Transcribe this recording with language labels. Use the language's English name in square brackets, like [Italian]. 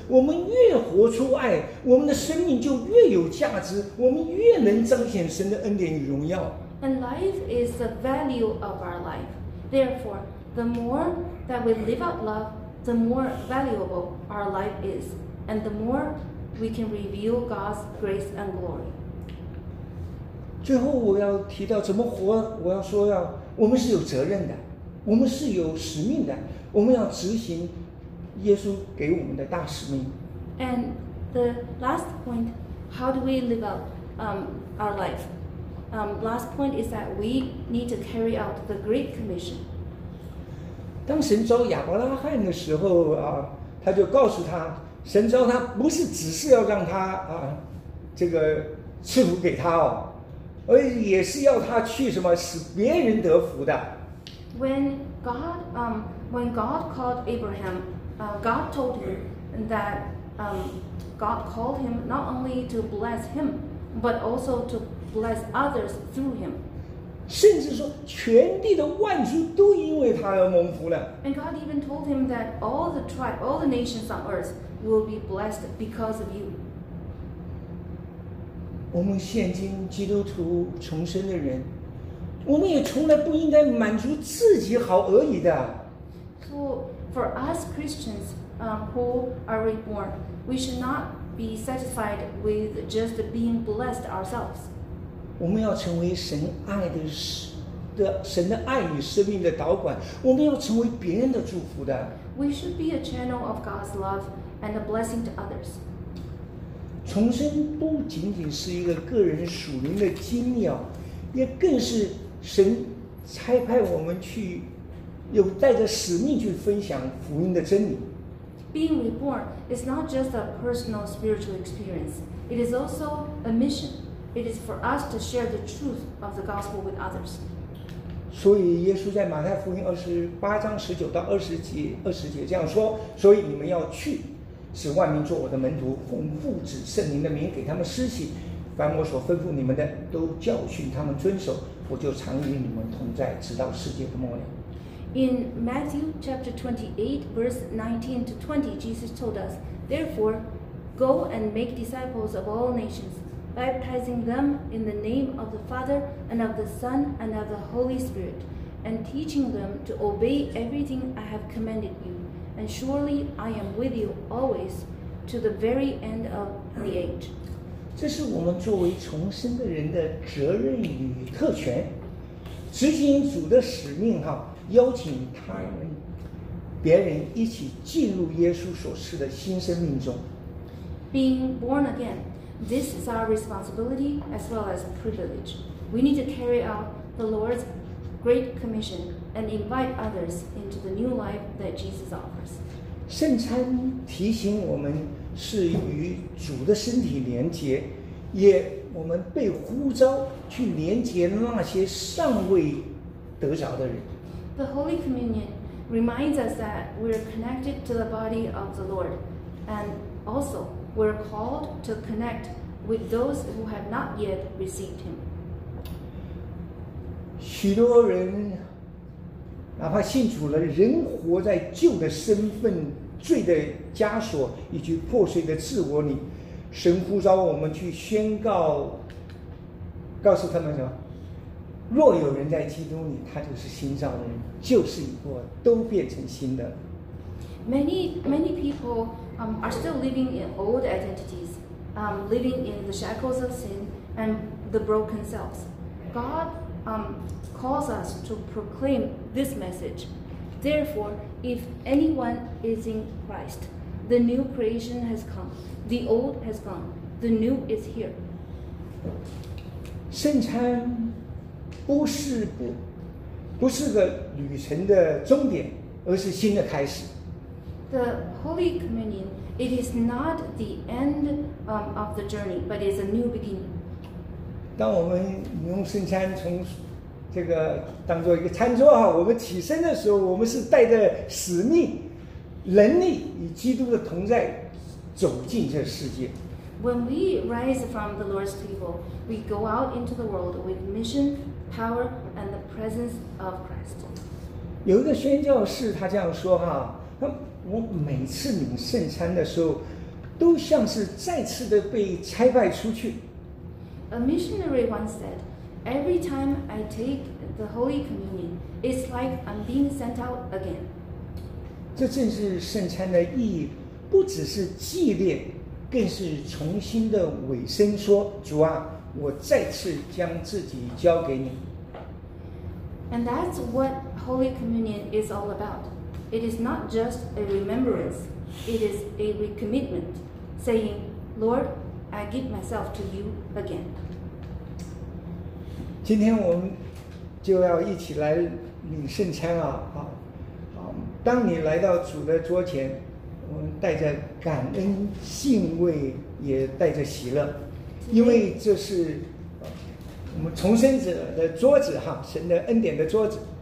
[Chinese] 我们越活出爱，我们的生命就越有价值。我们越能彰显神的恩典与荣耀。 [English] And life is the value of our life. Therefore, the more that we live out love, the more valuable our life is, and the more we can reveal God's grace and glory. [Chinese] 最后我要提到怎么活，我要说要。我们是有责任的，我们是有使命的，我们要执行耶稣给我们的大使命。 [English] And the last point, how do we live out our life? Last point is that we need to carry out the Great Commission. [Chinese] 当神召亚伯拉罕的时候啊，他就告诉他，神召他不是只是要让他啊，这个赐福给他哦。而也是要他去什么使别人得福的。 [English] When God called Abraham, God told him that God called him not only to bless him, but also to bless others through him. [Chinese] 甚至说全地的万族都因为他而蒙福了。 [English] And God even told him that all the tribe, all the nations on earth will be blessed because of you. [Chinese] 我们现今基督徒重生的人，我们也从来不应该满足自己好而已的。 [English] So for us Christians, who are reborn, we should not be satisfied with just being blessed ourselves. [Chinese] 我们要成为神爱的神的爱与生命的导管，我们要成为别人的祝福的。 [English] We should be a channel of God's love and a blessing to others. [Chinese] 重生不仅仅是一个个人属灵的经历啊，也更是神差派我们去，有带着使命去分享福音的真理。 [English] Being reborn is not just a personal spiritual experience; it is also a mission. It is for us to share the truth of the gospel with others. [Chinese] 所以耶稣在马太福音28:19-20这样说：所以你们要去。使万民做我的门徒，奉父子圣灵的名给他们施洗，凡我所吩咐你们的都教训他们遵守，我就常与你们同在，直到世界的末了。 [English] In Matthew chapter 28, verse 19 to 20, Jesus told us, Therefore, go and make disciples of all nations, baptizing them in the name of the Father and of the Son and of the Holy Spirit, and teaching them to obey everything I have commanded you. And surely I am with you always to the very end of the age. [Chinese] 这是我们作为重生的人的责任与特权，执行主的使命哈。邀请他人、别人一起进入耶稣所赐的新生命中。 [English] Being born again, this is our responsibility as well as privilege. We need to carry out the Lord's great commission and invite others into the new life that Jesus offers. [Chinese] 圣餐提醒我们是与主的身体连结，也我们被呼召去连结那些尚未得着的人。 [English] The Holy Communion reminds us that we are connected to the body of the Lord, and also we are called to connect with those who have not yet received Him. [Chinese] 许多人，哪怕信主了，仍活在旧的身份、罪的枷锁以及破碎的自我里。神呼召我们去宣告，告诉他们什么？若有人在基督里，他就是新造的人，旧事已过，都变成新的。 [English] Many people are still living in old identities, living in the shackles of sin and the broken selves. God calls us to proclaim this message. Therefore, if anyone is in Christ, the new creation has come. The old has gone. The new is here. [Chinese] 圣餐。不是个旅程的终点，而是新的开始。 [English] The Holy Communion, it is not the end of the journey, but it's a new beginning. [Chinese] 当我们用圣餐从这个当做一个餐桌哈，我们起身的时候，我们是带着使命、能力与基督的同在走进这世界。 [English] When we rise from the Lord's table, we go out into the world with mission. Power and the presence of Christ. [Chinese] 有一个宣教士他这样说哈，我每次领圣餐的时候，都像是再次的被差派出去。 [English] A missionary once said, "Every time I take the Holy Communion, it's like I'm being sent out again." [Chinese] 这正是圣餐的意义，不只是纪念，更是重新的委身说主啊。我再次将自己交给你。 [English] And that's what Holy Communion is all about. It is not just a remembrance. It is a recommitment, saying, Lord, I give myself to you again. [Chinese] 今天我们就要一起来领圣餐啊！好，当你来到主的桌前，我们带着感恩、敬畏，也带着喜乐。因为这是我们重生者的桌子哈，神的恩典的桌子。